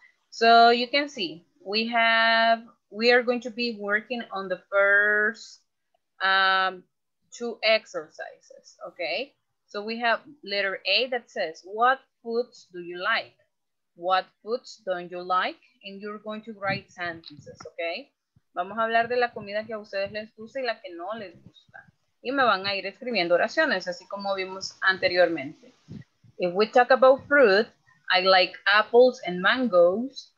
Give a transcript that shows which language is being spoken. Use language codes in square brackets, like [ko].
[en] So you can see, we are going to be working on the first two exercises, okay? So we have letter A that says, what foods do you like? What foods don't you like? And you're going to write sentences, okay? [es] Vamos a hablar de la comida que a ustedes les gusta y la que no les gusta. Y me van a ir escribiendo oraciones, así como vimos anteriormente. [en] If we talk about fruit, I like apples and mangoes.